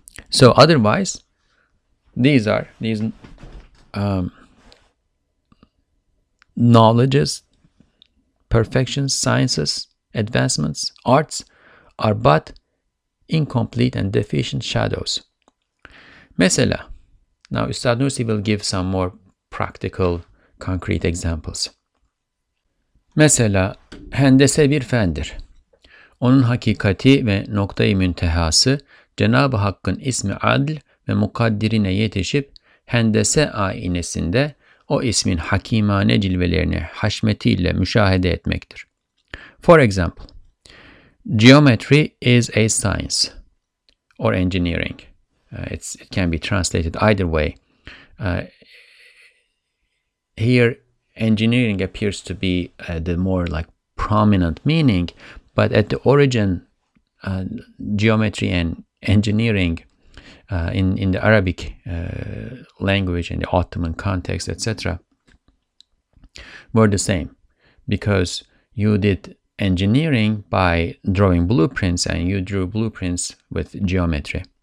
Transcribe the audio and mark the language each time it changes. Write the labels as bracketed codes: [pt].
[en] So otherwise, knowledges, perfections, sciences, advancements, arts are but incomplete and deficient shadows. [tr] Mesela, [en] now Ustad Nursi will give some more practical, concrete examples. [tr] Mesela, hendese bir fendir. Onun hakikati ve noktayı müntehası Cenab-ı Hakk'ın ismi adl ve mukaddirine yetişip hendese ayinesinde o ismin hakimane cilvelerini haşmetiyle müşahede etmektir. [en] For example, geometry is a science or engineering. It can be translated either way. Here, engineering appears to be the more like prominent meaning, but at the origin, geometry and engineering in the Arabic language, in the Ottoman context, etc., were the same, because you did engineering by drawing blueprints, and you drew blueprints with geometry.